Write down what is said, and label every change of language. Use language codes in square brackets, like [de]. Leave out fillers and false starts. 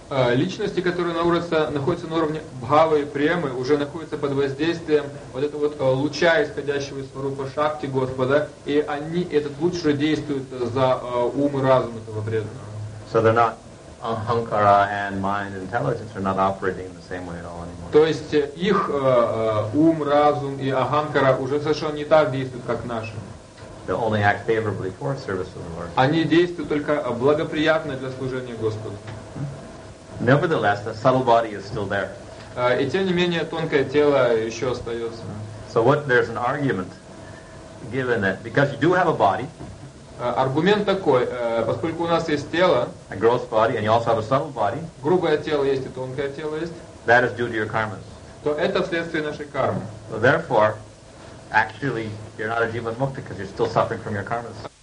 [ru] Личности, которые находятся на уровне бхавы и премы, уже находятся под воздействием вот этого вот луча, исходящего из Сварупа Шакти Господа, и они этот луч уже действует за ум и разум этого преданного. [en] So they're not ahankara and mind intelligence are not operating in the same way at all anymore. [ru] То есть их ум, разум и ахамкара уже совершенно не так действуют, как наши. [en] They'll only act favorably for service of the Lord. [ru] Они действуют только благоприятно для служения Господу. [en] Nevertheless, the subtle body is still there. [ru] И тем не менее тонкое тело еще остается. [en] So what? There's an argument given that because you do have a body. [ru] Аргумент такой: поскольку у нас есть тело. [en] A gross body, and you also have a subtle body. [ru] Грубое тело есть и тонкое тело есть. [en] That is due to your karmas. [ru] То это вследствие нашей кармы. [en] So therefore. Actually, you're not a jiva mukta because you're still suffering from your karmas.